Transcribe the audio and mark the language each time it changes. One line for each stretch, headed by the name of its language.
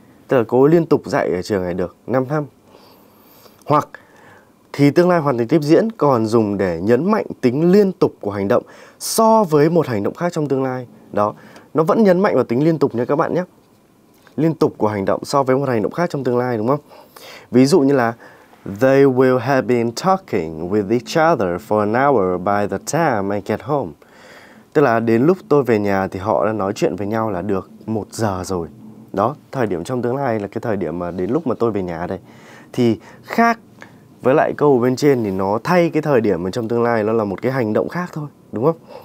Vietnamese: Tức là cô ấy liên tục dạy ở trường này được 5 năm. Hoặc thì tương lai hoàn thành tiếp diễn còn dùng để nhấn mạnh tính liên tục của hành động so với một hành động khác trong tương lai. Đó, nó vẫn nhấn mạnh vào tính liên tục nha các bạn nhé. Liên tục của hành động so với một hành động khác trong tương lai đúng không? Ví dụ như là
English: they will have been talking with each other for an hour by the time I get home.
Vietnamese: Tức là đến lúc tôi về nhà thì họ đã nói chuyện với nhau là được 1 giờ rồi. Đó, thời điểm trong tương lai là cái thời điểm mà đến lúc mà tôi về nhà đây. Thì khác với lại câu bên trên thì nó thay cái thời điểm trong tương lai, nó là một cái hành động khác thôi, đúng không?